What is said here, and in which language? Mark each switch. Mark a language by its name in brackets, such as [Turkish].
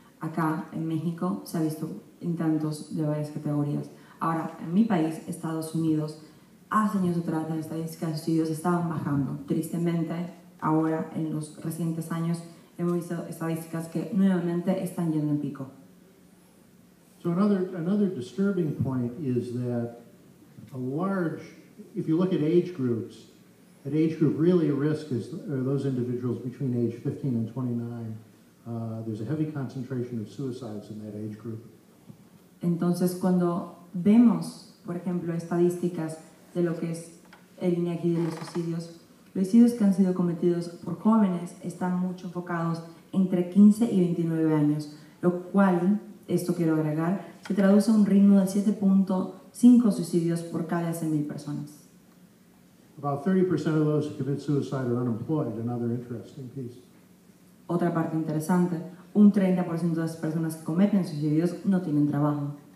[Spanish] Acá en México se han visto intentos de varias categorías. Ahora, en mi país, Estados Unidos, hace años atrás las estadísticas de suicidios estaban bajando. Tristemente, ahora en los recientes años, hemos visto estadísticas que nuevamente están yendo en pico. [English] So another disturbing point is that a large, if you look at age groups, an age group really at risk are those individuals between age 15 and 29. There's a heavy concentration of suicides in that age group. [Spanish] Entonces, cuando vemos, por ejemplo, estadísticas de lo que es el INEGI de los suicidios, los suicidios que han sido cometidos por jóvenes están mucho enfocados entre 15 y 29 años, lo cual, esto quiero agregar, se traduce a un ritmo de 7.5 suicidios por cada 100.000 personas. [English] About 30% of those who commit suicide are unemployed, another interesting piece. [Spanish] Otra parte interesante, un 30% de las personas que cometen suicidios no tienen trabajo.